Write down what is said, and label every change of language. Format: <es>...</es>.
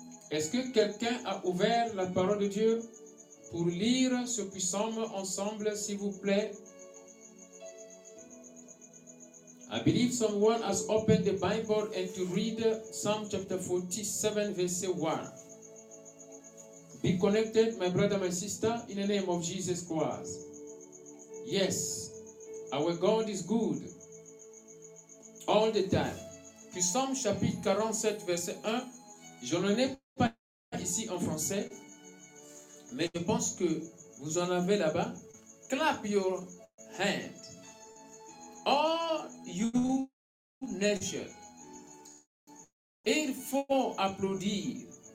<fr>Est-ce que quelqu'un a ouvert la parole de Dieu pour lire ce psaume ensemble, s'il vous plaît?</fr> <en>I believe someone has opened the Bible and to read Psalm chapter 47, verse 1. Be connected, my brother, my sister, in the name of Jesus Christ. Yes, our God is good all the time.</en> <fr>Psalm chapitre 47, verset 1, je n'en ai pas ici en français, mais je pense que vous en avez là-bas.</fr> <en>Clap your hand. All you nations,</en> <fr>il faut applaudir.</fr>